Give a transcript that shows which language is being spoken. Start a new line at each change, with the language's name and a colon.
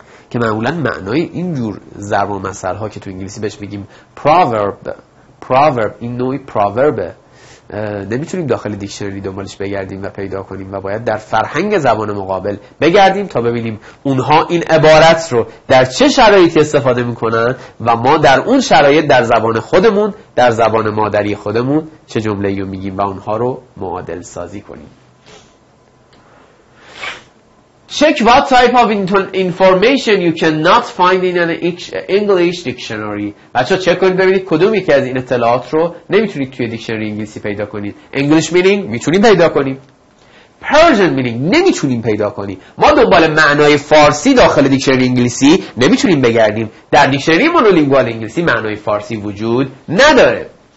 Persian: که معمولا معنای این جور ضرب المثل ها که تو انگلیسی بهش میگیم proverb، این نوعی پراوربه، نمیتونیم داخل دیکشنری دنبالش بگردیم و پیدا کنیم و باید در فرهنگ زبان مقابل بگردیم تا ببینیم اونها این عبارت رو در چه شرایطی استفاده میکنن و ما در اون شرایط در زبان خودمون، در زبان مادری خودمون چه جمله ایو میگیم و اونها رو معادل سازی کنیم.
English: Check what type of information you cannot find in an English dictionary.
Persian: بچه ها چک کنید ببینید کدومی که از این اطلاعات رو نمیتونید توی دیکشنری انگلیسی پیدا کنید.
English: English meaning
Persian: میتونید پیدا کنید.
English: Persian meaning
Persian: نمیتونیم پیدا کنیم. ما دنبال معنای فارسی داخل دیکشنری انگلیسی نمیتونیم بگردیم. در دیکشنری مونولینگوال انگلیسی معنای فارسی وجود نداره.